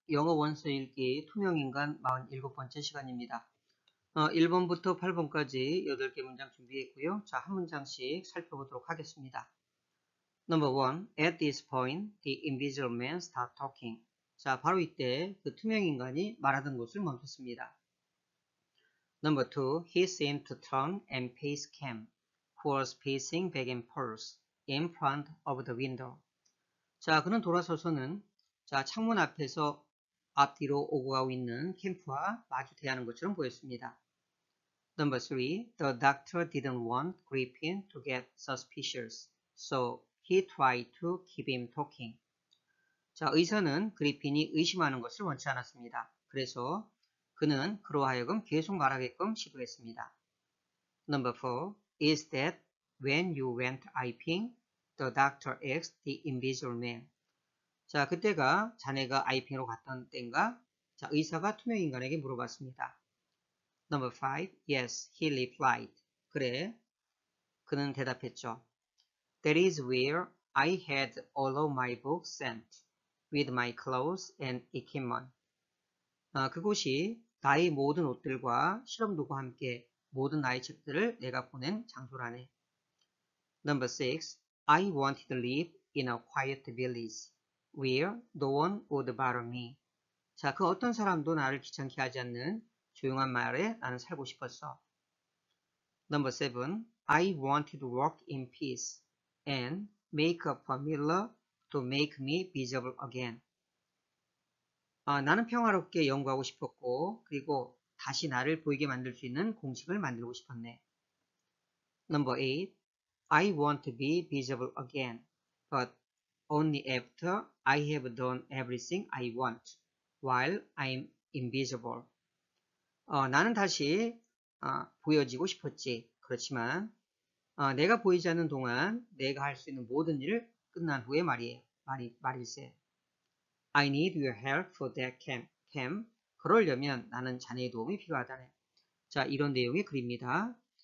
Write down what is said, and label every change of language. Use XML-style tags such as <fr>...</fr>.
<ko>영어 원서 읽기 투명인간 47번째 시간입니다. 1번부터 8번까지 8개 문장 준비했고요. 자, 한 문장씩 살펴보도록 하겠습니다.</ko> <en>Number one, at this point, the invisible man start talking.</en> <ko>자, 바로 이때 그 투명인간이 말하던 곳을 멈췄습니다.</ko> <en>Number two, he seemed to turn and face Cam, who was pacing back and forth in front of the window.</en> <ko>자, 그는 돌아서서는 자, 창문 앞에서 앞뒤로 오고 가고 있는 캠프와 마주 대하는 것처럼 보였습니다.</ko> <en>Number 3. The doctor didn't want Griffin to get suspicious, so he tried to keep him talking.</en> <ko>자, 의사는 그리핀이 의심하는 것을 원치 않았습니다. 그래서 그는 그로 하여금 계속 말하게끔 시도했습니다.</ko> <en>Number 4. Is that when you went iping? The doctor asked the invisible man.</en> <ko>자, 그때가 자네가 아이핑으로 갔던 때인가? 자, 의사가 투명인간에게 물어봤습니다.</ko> <en>Number 5. Yes, he replied.</en> <ko>그래. 그는 대답했죠.</ko> <en>That is where I had all of my books sent, with my clothes and equipment.</en> <ko>아, 그곳이 나의 모든 옷들과 실험도구와 함께 모든 나의 책들을 내가 보낸 장소라네.</ko> <en>Number 6. I wanted to live in a quiet village, where no one would bother me.</en> <ko>자, 그 어떤 사람도 나를 귀찮게 하지 않는 조용한 마을에 나는 살고 싶었어.</ko> <en>Number 7. I wanted to walk in peace and make a familiar to make me visible again.</en> <ko>아, 나는 평화롭게 연구하고 싶었고, 그리고 다시 나를 보이게 만들 수 있는 공식을 만들고 싶었네.</ko> <en>Number 8. I want to be visible again, but only after I have done everything I want while I'm invisible.</en> <ko>나는 다시 보여지고 싶었지. 그렇지만 내가 보이지 않는 동안 내가 할수 있는 모든 일을 끝난 후에 말이에요. 말일세.</ko> <en>I need your help for that, Cam.</en> <ko>그러려면 나는 자네의 도움이 필요하다네. 자, 이런 내용의 글입니다.</ko>